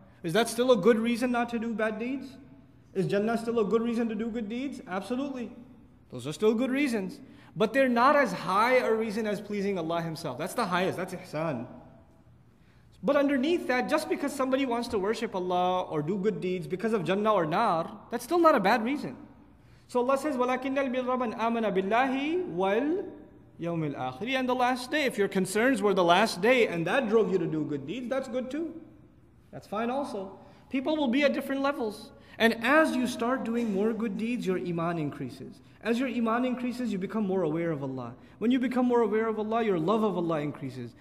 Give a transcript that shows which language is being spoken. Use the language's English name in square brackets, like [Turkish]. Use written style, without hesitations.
[English] Is that still a good reason not to do bad deeds? Is Jannah still a good reason to do good deeds? Absolutely. Those are still good reasons. But they're not as high a reason as pleasing Allah Himself. That's the highest. That's ihsan. But underneath that, just because somebody wants to worship Allah or do good deeds because of Jannah or Nar, that's still not a bad reason. So Allah says, [Arabic] وَلَكِنَّ الْبِرَّ مَنْ آمَنَ بِاللَّهِ وَالْيَوْمِ الْآخِرِ. [English] And the last day, if your concerns were the last day and that drove you to do good deeds, that's good too. That's fine also. People will be at different levels. And as you start doing more good deeds, your iman increases. As your iman increases, you become more aware of Allah. When you become more aware of Allah, your love of Allah increases.